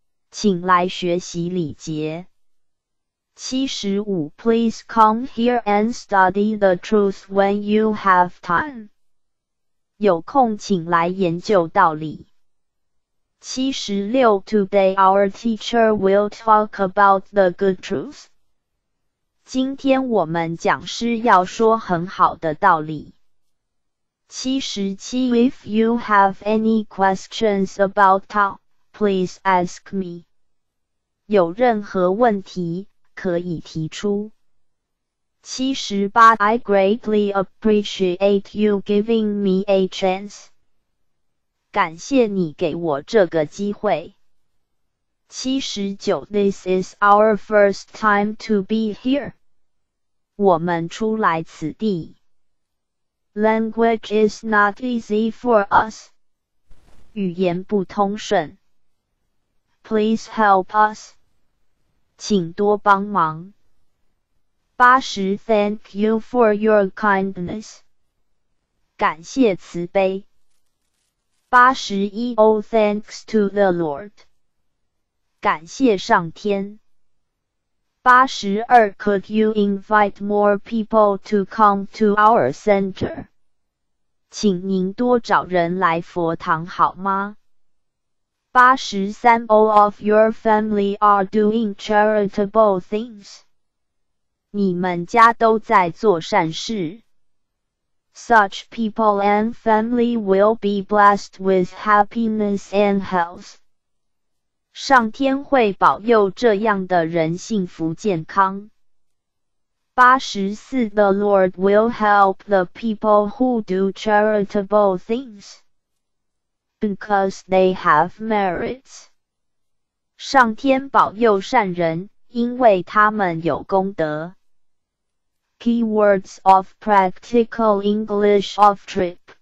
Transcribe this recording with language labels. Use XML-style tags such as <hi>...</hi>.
<zh>请来学习礼节。75.</zh> <en>Please come here and study the truth when you have time.</en> <zh>有空请来研究道理。 76.</zh> <en>Today our teacher will talk about the good truth.</en> <zh>今天我们讲师要说很好的道理。 77.</zh> <en>If you have any questions about Tao, please ask me.</en> <zh>有任何问题可以提出。 78.</zh> <en>I greatly appreciate you giving me a chance.</en> <zh>感谢你给我这个机会。 79.</zh> <en>This is our first time to be here.</en> <zh>我们初来此地。</zh> <en>Language is not easy for us.</en> <zh>语言不通顺。</zh> <en>Please help us.</en> <zh>请多帮忙。 80.</zh> <en>Thank you for your kindness.</en> <zh>感谢慈悲。</zh> <en>81. Oh, thanks to the Lord.</en> <zh>感谢上天。 82.</zh> <en>Could you invite more people to come to our center?</en> <zh>请您多找人来佛堂好吗？ 83.</zh> <en>All of your family are doing charitable things.</en> <zh>你们家都在做善事。</zh> <en>Such people and family will be blessed with happiness and health.</en> <zh>上天会保佑这样的人幸福健康。 84.</zh> <en>The Lord will help the people who do charitable things. Because they have merits.</en> <zh>上天保佑善人，因为他们有功德。</zh> <en>Keywords of practical English of trip.</en>